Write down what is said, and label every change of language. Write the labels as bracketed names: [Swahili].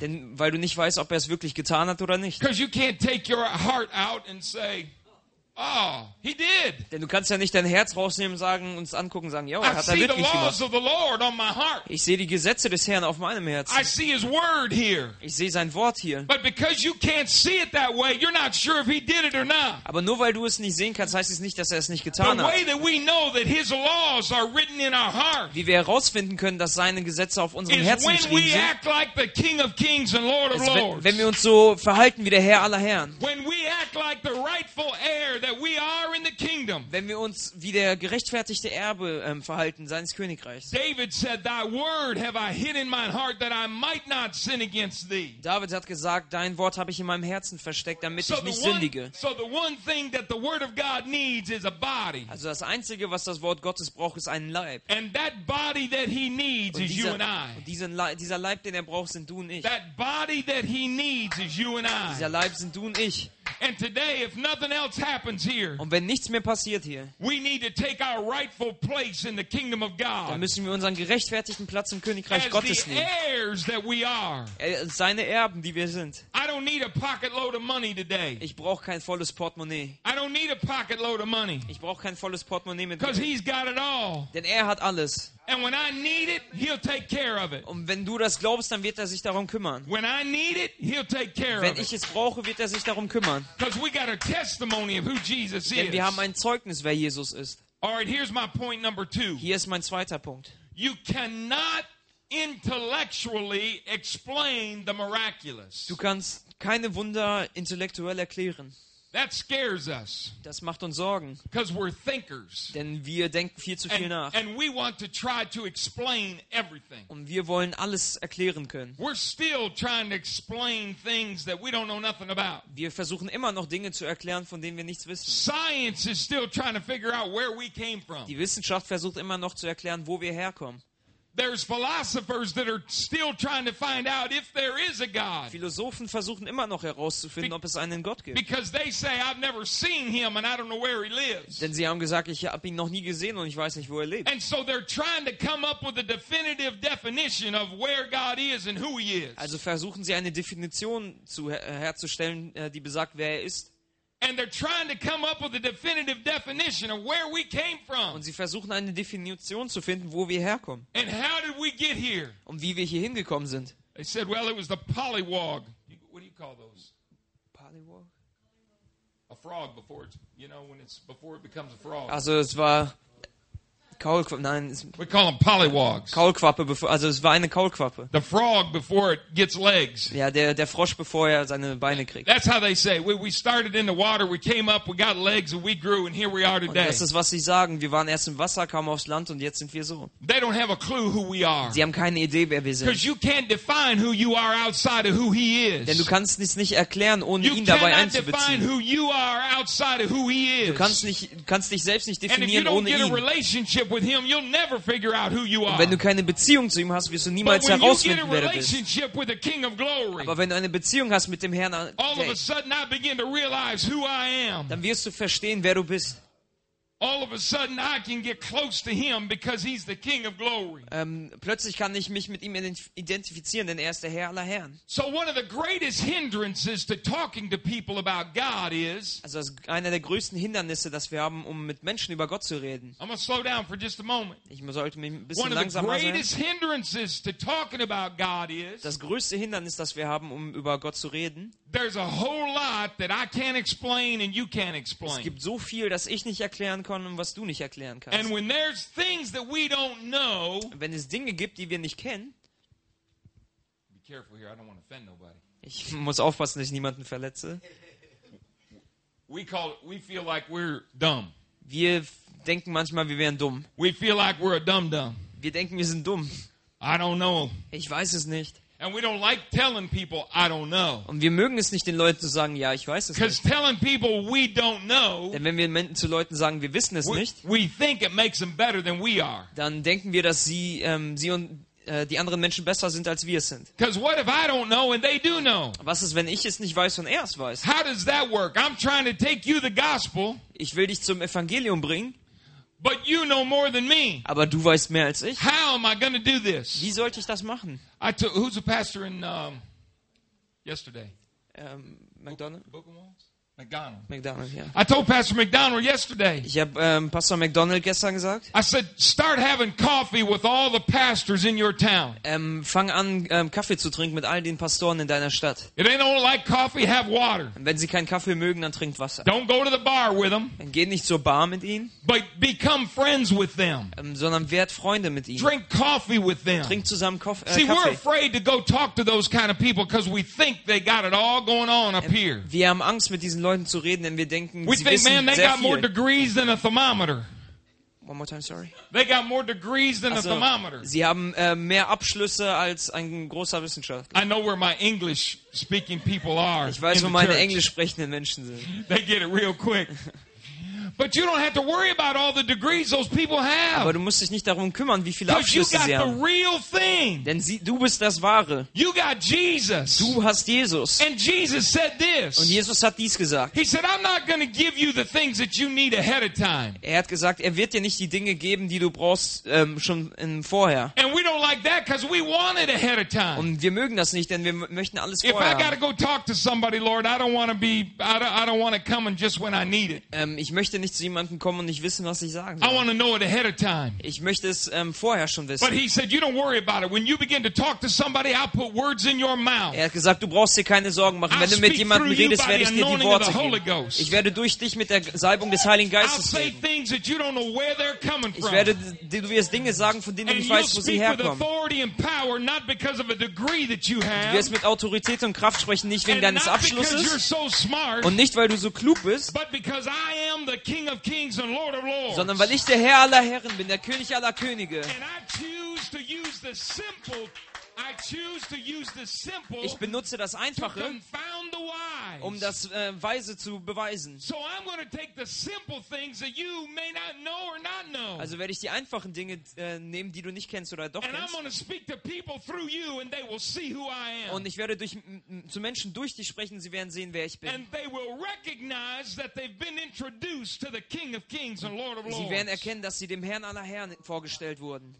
[German] Denn weil du nicht weißt, ob es wirklich getan hat oder nicht. [English] Because you can't take your heart out and say, oh, he did. [German] Denn du kannst ja nicht dein Herz rausnehmen, sagen, uns angucken, sagen, ja, hat er wirklich gemacht. Ich sehe die Gesetze des Herrn auf meinem Herzen. [English] I see his word here. [German] Ich sehe sein Wort hier. [English] But because you can't see it that way, you're not sure if he did it or not. [German] Aber nur weil du es nicht sehen kannst, heißt es nicht, dass er es nicht getan hat. [English] The way that we know that his laws are written in our heart. [German] Wie wir herausfinden können, dass seine Gesetze auf unserem Herzen geschrieben sind. [English] When we act like the King of Kings and Lord of Lords. [German] Wenn wir uns so verhalten wie der Herr aller Herren. [English] When we act like the rightful heir that we are in the kingdom. [German] Wenn wir uns wie der gerechtfertigte Erbe verhalten seines Königreichs. [English] David said, "Thy word have I hid in mine heart that I might not sin against thee." [German] David hat gesagt, dein Wort habe ich in meinem Herzen versteckt, damit ich nicht sündige. [English] So the one thing that the word of God needs is a body. [German] Also das einzige, was das Wort Gottes braucht, ist ein Leib. [English] And that body that he needs is you and I. [German] Dieser Leib, den braucht, sind du und ich. [English] That body that he needs is you and I. [German] Dieser Leib sind du und ich. [English] And today, if nothing else happens here, [German] und wenn nichts mehr passiert hier, [English] we need to take our rightful place in the kingdom of God. [German] Dann müssen wir unseren gerechtfertigten Platz im Königreich Gottes nehmen. [English] As the heirs that we are, [German] seine Erben, die wir sind. [English] I don't need a pocket load of money today. [German] Ich brauche kein volles Portemonnaie. [English] I don't need a pocket load of money. [German] Ich brauche kein volles Portemonnaie mit. [English] Because he's got it all. [German] Denn er hat alles. [English] And when I need it, he'll take care of it. [German] Und wenn du das glaubst, dann wird sich darum kümmern. [English] When I need it, he'll take care of it. [German] Wenn ich es brauche, wird sich darum kümmern. [English] Because we got a testimony of who Jesus is. [German] Denn wir haben ein Zeugnis, wer Jesus ist. [English] All right, here's my point number two. [German] Hier ist mein zweiter Punkt. [English] You cannot intellectually explain the miraculous. [German] Du kannst keine Wunder intellektuell erklären. [English] That scares us. [German] Das macht uns Sorgen. [English] Because we're thinkers. [German] Denn wir denken viel zu viel nach. [English] And we want to try to explain everything. [German] Und wir wollen alles erklären können. [English] We're still trying to explain things that we don't know nothing about. [German] Wir versuchen immer noch Dinge zu erklären, von denen wir nichts wissen. [English] Science is still trying to figure out where we came from. [German] Die Wissenschaft versucht immer noch zu erklären, wo wir herkommen. [English] There's philosophers that are still trying to find out if there is a God. [German] Philosophen versuchen immer noch herauszufinden, ob es einen Gott gibt. [English] Because they say I've never seen him and I don't know where he lives. [German] Denn sie haben gesagt, ich habe ihn noch nie gesehen und ich weiß nicht, wo er lebt. [English] And so they're trying to come up with a definitive definition of where God is and who he is. [German] Also versuchen sie eine Definition herzustellen, die besagt, wer er ist. [English] And they're trying to come up with a definitive definition of where we came from. [German] Und sie versuchen eine Definition zu finden, wo wir herkommen. [English] And how did we get here? [German] Und wie wir hier hingekommen sind. [English] They said, well, it was the polywog. What do you call those? Polywog? A frog before it, you know, when it's before it becomes a frog. [German] Also es war Kaulquappe. Nein, es, [English] we call them polywogs. [German] Kaulquappe bevor, also es war eine Kaulquappe. [English] The frog before it gets legs. [German] Ja, der Frosch bevor er seine Beine kriegt. [English] That's how they say. We started in the water, we came up, we got legs and we grew and here we are today. [German] Und das ist was sie sagen, wir waren erst im Wasser, kamen aufs Land und jetzt sind wir so. [English] They don't have a clue who we are. [German] Sie haben keine Idee, wer wir sind. [English] Because you can't define who you are outside of who he is. [German] Denn du kannst es nicht erklären, ohne ihn dabei einzubeziehen. [English] You can't define who you are outside of who he is. [German] Du kannst dich selbst nicht definieren ohne ihn. [English] And if you don't get a relationship with him, you'll never figure out who you are. [German] Wenn du keine Beziehung zu ihm hast, wirst du niemals herausfinden, wer du bist. [English] But when you get a relationship with the King of Glory, [German] aber wenn du eine Beziehung hast mit dem Herrn, [English] all of a sudden I begin to realize who I am. [German] Dann wirst du verstehen, wer du bist. [English] All of a sudden I can get close to him because he's the King of Glory. [German] Plötzlich kann ich mich mit ihm identifizieren, denn er ist der Herr aller Herren. [English] So one of the greatest hindrances to talking to people about God is. [German] Also einer der größten Hindernisse, das wir haben, um mit Menschen über Gott zu reden. [English] I'm gonna slow down for just a moment. [German] Ich sollte mich ein bisschen langsamer sein. [English] One of the greatest hindrances to talking about God is. [German] Das größte Hindernis, das wir haben, um über Gott zu reden. [English] There's a whole lot that I can't explain and you can't explain. [German] Es gibt so viel, das ich nicht erklären kann und was du nicht erklären kannst. [English] And when there's things that we don't know, [German] wenn es Dinge gibt, die wir nicht kennen, [English] be careful here, I don't want to offend nobody. [German] Ich muss aufpassen, dass ich niemanden verletze. [English] We feel like we're dumb. [German] Wir denken manchmal, wir wären dumm. [English] We feel like we're a dumb dumb. [German] Wir denken, wir sind dumm. [English] I don't know. [German] Ich weiß es nicht. [English] And we don't like telling people I don't know. [German] Und wir mögen es nicht, den Leuten zu sagen, ja, ich weiß es nicht. [English] Because telling people we don't know. [German] Denn wenn wir zu Leuten sagen, wir wissen es nicht. [English] We think it makes them better than we are. [German] Dann denken wir, dass die anderen Menschen besser sind, als wir es sind. [English] Because what if I don't know and they do know? [German] Was ist, wenn ich es nicht weiß und er es weiß? [English] How does that work? I'm trying to take you the gospel. [German] Ich will dich zum Evangelium bringen. [English] But you know more than me. [German] Aber du weißt mehr als ich. [English] How am I going to do this? [German] Wie sollte ich das machen? [English] Who's the pastor in yesterday? McDonald. Yeah. I told Pastor McDonald yesterday. [German] Ich habe Pastor McDonald gestern gesagt. [English] I said, start having coffee with all the pastors in your town. [German] Fang an Kaffee zu trinken mit all den Pastoren in deiner Stadt. [English] If they don't like coffee, have water. [German] Und wenn sie keinen Kaffee mögen, dann trinkt Wasser. [English] Don't go to the bar with them. [German] Dann geh nicht zur Bar mit ihnen. [English] But become friends with them. [German] Sondern werd Freunde mit ihnen. [English] Drink coffee with them. [German] Trink zusammen Kaffee. [English] See, we're afraid to go talk to those kind of people because we think they got it all going on up here. [German] Wir haben Angst mit diesen Leuten zu reden, denn wir denken, sie wissen sehr viel. [English] We think, man, they got more degrees than a thermometer. One more time, sorry. They got more degrees than a thermometer. [German] Sie haben mehr Abschlüsse als ein großer Wissenschaftler. [English] I know where my English speaking people are. [German] Ich weiß, wo meine Englisch sprechenden Menschen sind. [English] They get it real quick. But you don't have to worry about all the degrees those people have. [German] Aber du musst dich nicht darum kümmern, wie viele Abschlüsse sie haben. [English] Because you got the real thing. [German] Denn du bist das Wahre. [English] You got Jesus. [German] Du hast Jesus. [English] And Jesus said this. [German] Und Jesus hat dies gesagt. [English] He said, "I'm not going to give you the things that you need ahead of time." [German] Er hat gesagt, er wird dir nicht die Dinge geben, die du brauchst schon vorher. [English] And we don't like that because we want it ahead of time. [German] Und wir mögen das nicht, denn wir möchten alles vorher. [English] If I got to go talk to somebody, Lord, I don't want to come and just when I need it. [German] Ich möchte nicht zu jemandem kommen und nicht wissen, was ich sagen soll. [English] I want to know it ahead of time. [German] Ich möchte es vorher schon wissen. [English] But he said, you don't worry about it. When you begin to talk to somebody, I'll put words in your mouth. [German] Er hat gesagt, du brauchst dir keine Sorgen machen. Wenn du mit jemandem redest, werde ich dir die Worte geben. Ich werde durch dich mit der Salbung des Heiligen Geistes reden. Du wirst Dinge sagen, von denen du nicht weißt, wo sie herkommen. Du wirst mit Autorität und Kraft sprechen, nicht wegen deines Abschlusses und nicht, weil du so klug bist, [English] King of Kings and Lord of Lords. [German] Sondern weil ich der Herr aller Herren bin, der König aller Könige. [English] And I choose to use the simple I choose to use the simple. [German] Ich benutze das Einfache, um das Weise zu beweisen. [English] So I'm going to take the simple things that you may not know or not know. [German] Also werde ich die einfachen Dinge nehmen, die du nicht kennst oder doch kennst. [English] And I'm going to speak to people through you, and they will see who I am. [German] Und ich werde zu Menschen durch dich sprechen. Sie werden sehen, wer ich bin. [English] And they will recognize that they've been introduced to the King of Kings and Lord of Lords. [German] Sie werden erkennen, dass sie dem Herrn aller Herren vorgestellt wurden.